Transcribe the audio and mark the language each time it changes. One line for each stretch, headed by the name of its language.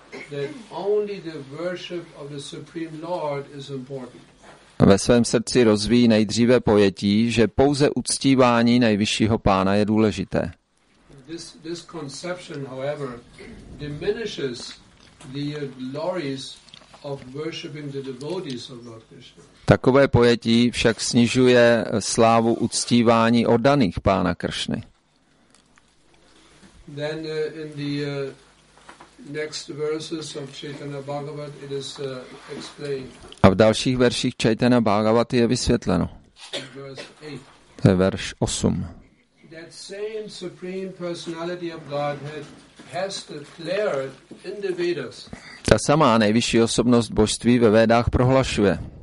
English: That only the worship of the Supreme Lord is important.
Czech: Ve svém srdci rozvíjí nejdříve pojetí, že pouze uctívání nejvyššího pána je důležité.
English: This conception, however, diminishes the glories of worshiping the devotees of Lord Krishna.
Czech: Takové pojetí však snižuje slávu uctívání oddaných pána Kršny.
English: Then in the next verses of Chaitanya Bhagavat it is explained.
Czech: A v dalších verších Chaitanya Bhagavat je vysvětleno. To je verš 8.
English: That same supreme personality of Godhead has declared in the Vedas.
Czech: Ta samá nejvyšší osobnost božství ve Vedách prohlašuje.